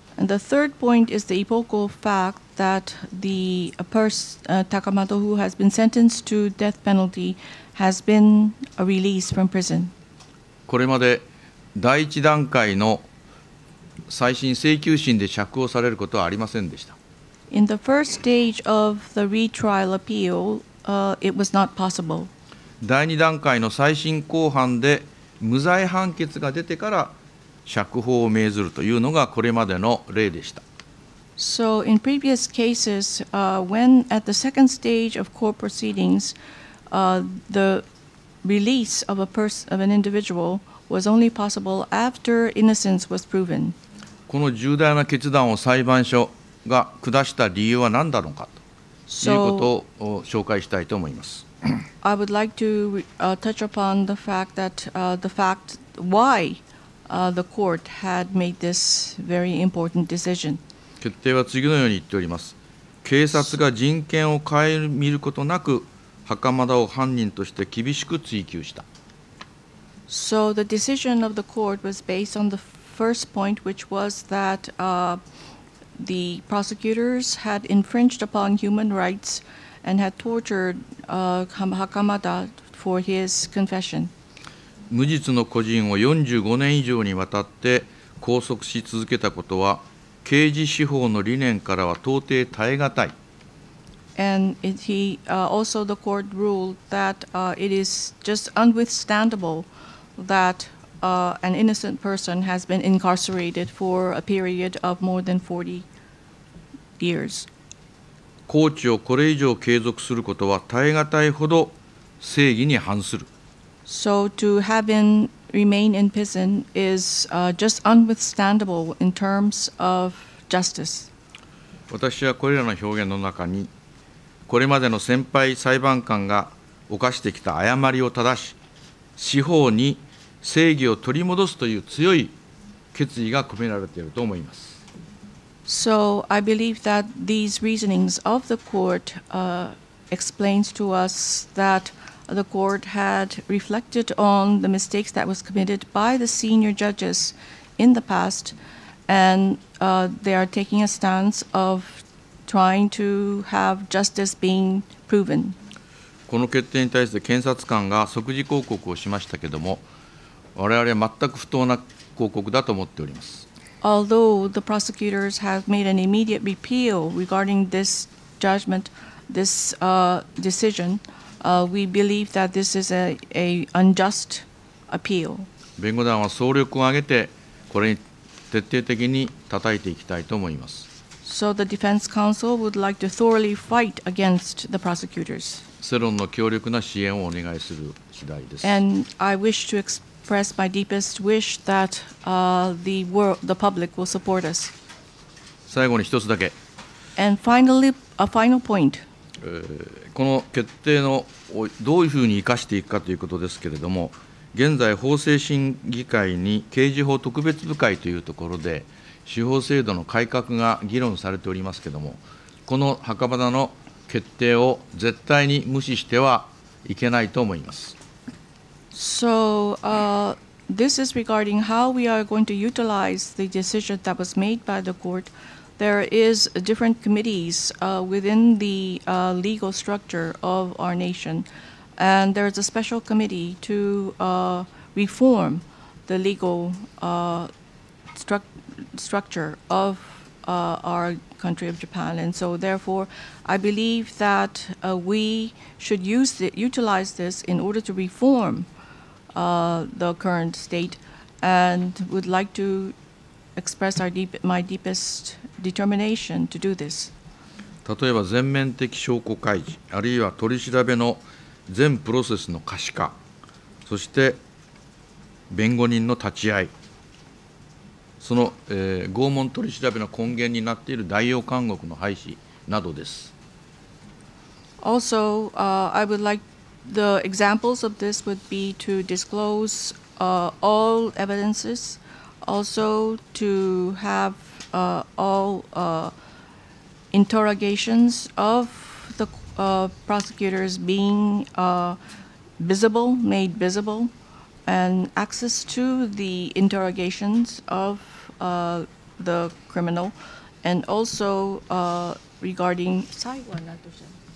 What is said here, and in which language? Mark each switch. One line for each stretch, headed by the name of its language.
English: And the third point is the epochal fact that the Takamado who has been sentenced to death penalty has been released from prison.
Japanese: これまで第一段階の再審請求審で釈放されることはありませんでした。
English: In the first stage of the retrial appeal, it was not possible.
Japanese: 第二段階の再審公判で無罪判決が出てから釈放を命ずるというのがこれまでの例でした。
English: So in previous cases, when at the second stage of court proceedings, the release of a person of an individual was only possible after innocence was proven.
Japanese: この重大な決断を裁判所が下した理由は何だろうかということを紹介したいと思います。
English: So, I would like to touch upon the fact that the fact why the court had made this very important decision.
Japanese: 決定は次のように言っております。警察が人権を顧みることなく袴田を犯人として厳しく追及した。
English: So the decision of the court was based on theFirst point, which was that、the prosecutors had infringed upon human rights and had tortured、Hakamada for his confession.
Japanese: 無実の個人を45年以上にわたって拘束し続けたことは刑事司法の理念からは到底耐え難い。
English: And it, he、also the court ruled that、it is just unwithstandable thatan innocent person has been incarcerated for a period of more than 40 years.
Japanese: 拘置をこれ以上継続することは耐え難いほど正義に反する。
English: So to have him remain in prison is、just unwithstandable in terms of justice.
Japanese: 私はこれらの表現の中にこれまでの先輩裁判官が犯してきた誤りを正し、司法に正義を取り戻すという強い決意が込められていると思います。
English: So I believe that these reasonings of the court explains to us that the court had reflected on the mistakes that was committed by the senior judges in the past, and they are taking a stance of trying to have justice being proven.
Japanese: この決定に対して検察官が即時抗告をしましたけれども、我々は全く不当な抗告だと思っております。
English: Although the prosecutors have made an immediate appeal regarding this judgment, this decision, we believe that this is a unjust appeal.
Japanese: 弁護団は総力を挙げてこれに徹底的に叩いていきたいと思います。
English: So the defense counsel would like to thoroughly fight against the prosecutors.
Japanese: 世論の強力な支援をお願いする次第です。
English: And I wish to express my deepest wish that the public will support us.
Japanese: 最後に一つだけ。
English: And finally, a final point.
Japanese: この決定をどういうふうに生かしていくかということですけれども、現在法制審議会に刑事法特別部会というところで、司法制度の改革が議論されておりますけれども、この袴田の決定を絶対に無視してはいけないと思います。
English: So, this is regarding how we are going to utilize the decision that was made by the court. There is different committees within the legal structure of our nation, and there is a special committee to reform the legal structure of our country of Japan. And so therefore, I believe that we should utilize this in order to reform the current state, and would like to express my deepest determination to do this.
Japanese: 例えば全面的証拠開示、あるいは取り調べの全プロセスの可視化、そして弁護人の立ち会い、その、拷問取り調べの根源になっている代用監獄の廃止などです。
English: Also, I would like the examples of this would be to disclose all evidences, also to have all interrogations of the prosecutors being visible, made visible, and access to the interrogations of the criminal, and also regarding
Japanese: 最後は何としたの？